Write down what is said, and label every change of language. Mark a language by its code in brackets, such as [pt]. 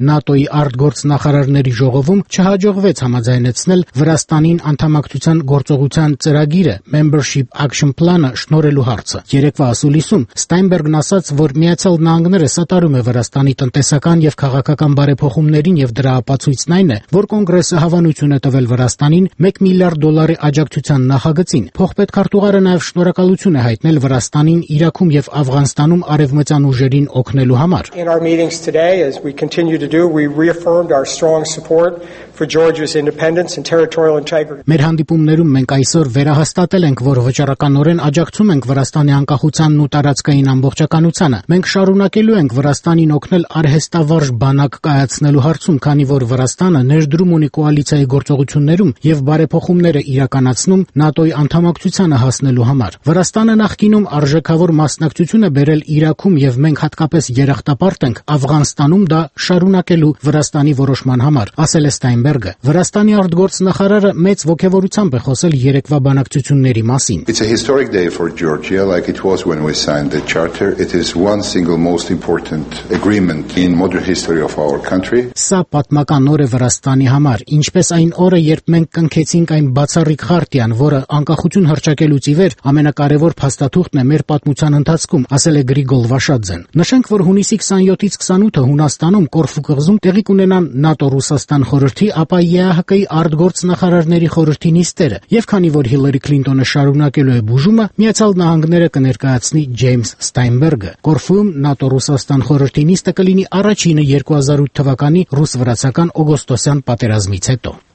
[hy] ՆԱՏՕ-ի արտգործնախարարների ժողովում չհաջողվեց համաձայնեցնել Վրաստանին անդամակցության գործողության ծրագիրը, membership action plan-ը շնորելու հարցը։ Երեկվա ասուլիսում Ստայնբերգն ասաց, որ Միացյալ Նահանգները սատարում է Վրաստանի տնտեսական և քաղաքական բարեփոխումներին և դրա ապացույցն այն է, որ կոնգրեսը հավանություն ունե տվել Վրաստանին 1 միլիարդ դոլարի աջակցության նախագծին։ Փոխպետքարտուղարը նաև շնորհակալություն է հայտնել Վրաստանին Իրաքում եւ Աֆղանստանում արևմտյան ուժերին օգնելու համար։ [en] In our meetings today, as we continue to do, we reaffirmed our strong support for Georgia's independence and territorial integrity. [hy] Մեր հանդիպումներում մենք այսօր վերահաստատել ենք, որ վճռականորեն աջակցում ենք Վրաստանի անկախության ու տարածքային ամբողջականությանը։ Մենք շարունակելու ենք Վրաստանին օգնել արհեստավարժ բանակ կայացնելու հարցում, քանի որ Վրաստանը ներդրում ունի կոալիցիայի գործողություններում եւ բարեփոխումները իրականացնում ՆԱՏՕ-ի անդամակցությանը հասնելու համար։ Վրաստանը նախկինում արժեքավոր մասնակցություն է բերել Իրաքում եւ մենք հատկապես երախտապարտ ենք Աֆղանստանում դա շարունակելու Վրաստանի որոշման համար, ասել է Ստայնբերգը։ Վրաստանի արտգործնախարարը մեծ ոգևորությամբ է խոսել երեկվա բանակցությունների մասին։ [en] It's a historic day for Georgia, like it was when we signed the charter. It is one single most important agreement in modern history of our country. [hy] Սա պատմական օր է Վրաստանի համար, ինչպես այն օրը, երբ երբ մենք կնքեցինք այն բացառիկ խարտիան, որը անկախություն հրճակելուց ի վեր ամենակարևոր փաստաթուղթն է մեր պատմության ընթացքում, ասել է Գրիգոլ Վաշաձեն։ Նշենք, որ հունիսի 27-ից 28-ը Հունաստանում Կորֆու կղզում տեղի կունենան ՆԱՏՕ-Ռուսաստան խորհրդի, ապա ԵԱՀԿ-ի արտգործնախարարների խորհրդի նիստերը, եւ քանի որ Հիլերի Քլինտոնը շարունակելու է բուժումը, Միացյալ Նահանգները կներկայացնի Ջեյմս Ստայնբերգը։ Կորֆում ՆԱՏՕ-Ռուսաստան խորհրդի նիստը կլինի առաջինը 2008 թվականի ռուս-վրացական օգոստոսյան պատերազմից հետո։